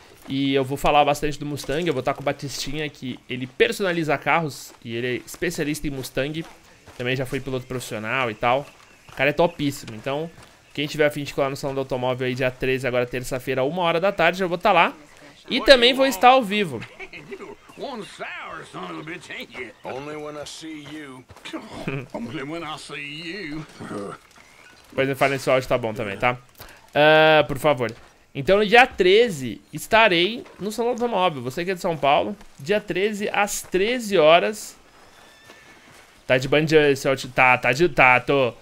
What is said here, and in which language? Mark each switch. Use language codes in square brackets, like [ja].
[pt] E eu vou falar bastante do Mustang. Eu vou estar com o Batistinha, que ele personaliza carros. E ele é especialista em Mustang. Também já foi piloto profissional e tal. O cara é topíssimo. Então, quem tiver a fim de colar no salão do automóvel aí, dia 13, agora terça-feira, 1 hora da tarde, eu vou estar lá. E também vou estar ao vivo. [en] One sour son of a bitch, ain't you? Only when I see you. Only when I see you. [pt] Pois me falem se o áudio tá bom também, tá? Por favor. Então, no dia 13, estarei no Salão do Automóvel. Você que é de São Paulo, dia 13, às 13 horas. Tá de band esse áudio. Tá, tô.